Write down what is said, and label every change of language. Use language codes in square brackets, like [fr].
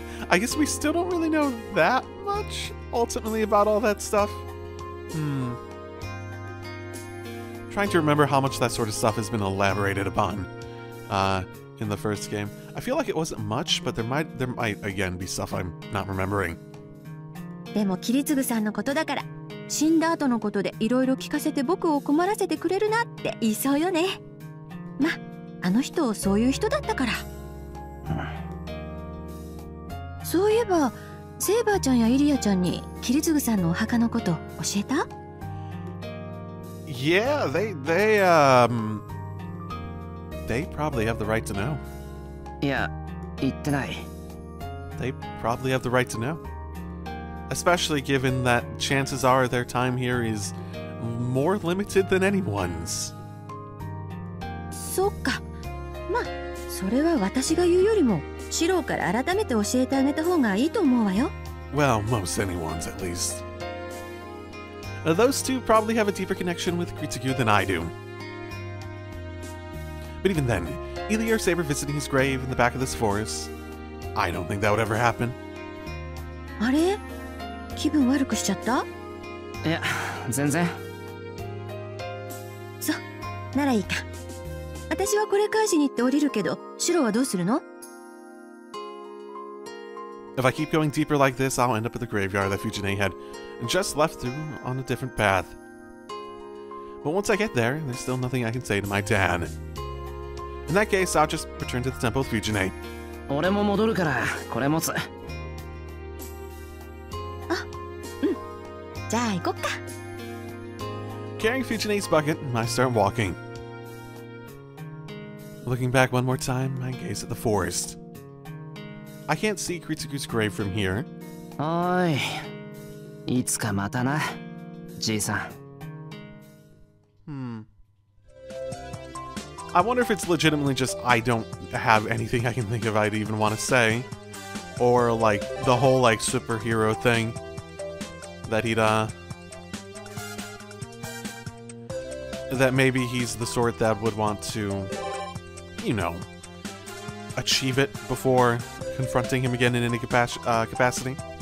[en] I guess we still don't really know that much, ultimately, about all that stuff. Trying to remember how much that sort of stuff has been elaborated upon in the first game. I feel like it wasn't much, but there might again be stuff I'm not remembering. [ja] でもキリツグさんのことだから、死んだ後のことでいろいろ聞かせて僕を困らせてくれるなって言いそうよね。ま、あの人そういう人だったから。そういえば、セーバーちゃんやイリアちゃんにキリツグさんのお墓のこと教えた？ [en] Yeah, they probably have the right to know. [ja] Yeah, 言ってない。 [en] They probably have the right to know. Especially given that chances are their time here is more limited than anyone's. [ja] そっか。まあ、それは私が言うよりも、シローから改めて教えてあげた方がいいと思うわよ。 [en] Well, most anyone's at least. Now, those two probably have a deeper connection with Kritsugu than I do. But even then, Illya or Saber visiting his grave in the back of this forest, I don't think that would ever happen. [ja] あれ?気分悪くしちゃった? いや、全然。そう、ならいいか。私はこれ返しに行って降りるけど、シロはどうするの? [en] If I keep going deeper like this, I'll end up at the graveyard that Fujine had just left through on a different path. But once I get there, there's still nothing I can say to my dad. In that case, I'll just return to the temple of Fujine. [ja] 俺も戻るから、これ持つ。じゃあ行こっか。 [en] Carrying Fujine's bucket, I start walking. Looking back one more time, I gaze at the forest. I can't see Kritsuku's grave from here. [ja] おい、いつかまたな、じいさん。 [en] I wonder if it's legitimately just I don't have anything I can think of I'd even want to say. Or like, the whole like superhero thing. That he'd, that maybe he's the sort that would want to, you know, achieve it before confronting him again in any capacity.